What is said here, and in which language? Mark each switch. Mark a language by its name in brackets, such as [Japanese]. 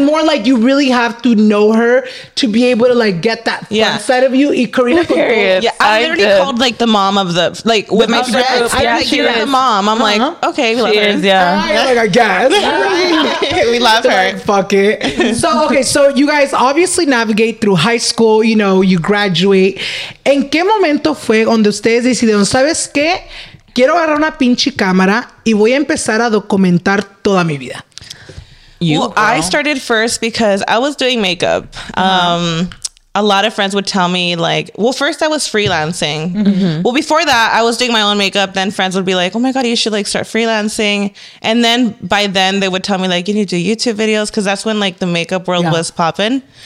[English] And more like you really have to know her to be able to like get that fun side of you. [Spanish] Y Karina, [English] yeah, I literally called like the mom of the like with my friends. Yeah, like, you're the mom. I'm like, okay, we love her. Is, yeah, like I guess we love her. Like, fuck it. So okay, so you guys obviously navigate through high school. You know, you graduate. [Spanish] ¿En qué momento fue donde ustedes decidieron? ¿Sabes qué? Quiero agarrar una pinche cámara y voy a empezar a documentar toda mi vida. [English] I started first because I was doing makeup. A lot of friends would tell me like, well, first I was freelancing. Mm-hmm. Well, before that, I was doing my own makeup. Then friends would be like, oh my God, you should like start freelancing. And then by then they would tell me like, you need to do YouTube videos. Cause that's when like the makeup world was popping.